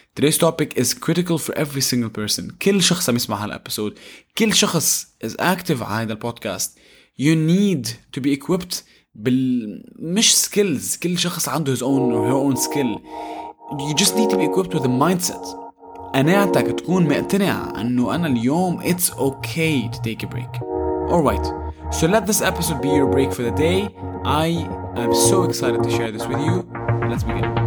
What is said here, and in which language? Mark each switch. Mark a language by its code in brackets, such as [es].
[en] Today's topic is critical for every single person. [ar] كل شخص عم يسمع هالأبسود. كل شخص [en] is active [ar] على هذا البودكاست. [en] You need to be equipped مش skills. [ar] كل شخص عنده [en] his own or her own skill. You just need to be equipped with a mindset. [ar] قناعتك تكون مقتنع أنه أنا اليوم [en] it's okay to take a break. Alright. So let this episode be your break for the day. I'm so excited to share this with you. Let's begin.